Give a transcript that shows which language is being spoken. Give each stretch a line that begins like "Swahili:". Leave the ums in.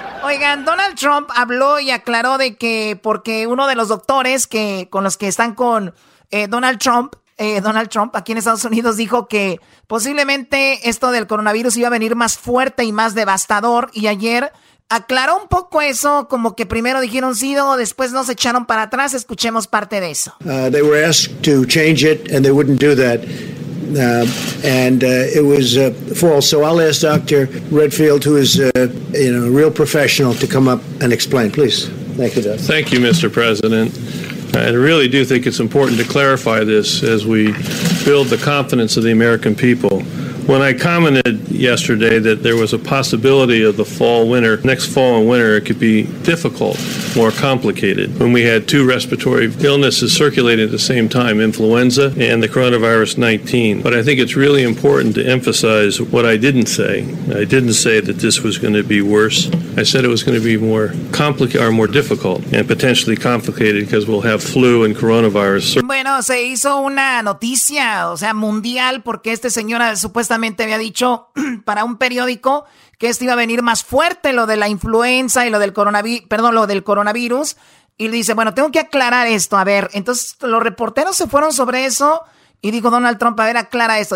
Spanish: Oigan, Donald Trump habló y aclaró de que porque uno de los doctores que con los que están con eh, Donald Trump, eh, Donald Trump aquí en Estados Unidos dijo que posiblemente esto del coronavirus iba a venir más fuerte y más devastador y ayer aclaró un poco eso, como que primero dijeron sí o después nos echaron para atrás. Escuchemos parte de eso.
English: Uh, they were asked to change it and they wouldn't do that. Uh, and uh, it was uh, false. So I'll ask Dr. Redfield, who is you know, a real professional, to come up and explain, please. Thank you, Doug. Thank you, Mr. President. I really do think it's important to clarify this as we build the confidence of the American people. When I commented yesterday that there was a possibility of the fall winter, next fall and winter, it could be difficult, more complicated. When we had two respiratory illnesses circulating at the same time, influenza and the coronavirus 19. But I think it's really important to emphasize what I didn't say. I didn't say that this was going to be worse. I said it was going to be more complicated or more difficult and potentially complicated because we'll have flu and coronavirus.
Spanish: Bueno, se hizo una noticia, o sea, mundial, porque este señora supuestamente. había dicho para un periódico que esto iba a venir más fuerte, lo de la influenza y lo del coronavirus, perdón, lo del coronavirus. Y dice, bueno, tengo que aclarar esto, a ver. Entonces los reporteros se fueron sobre eso y dijo Donald Trump, a ver, aclara esto.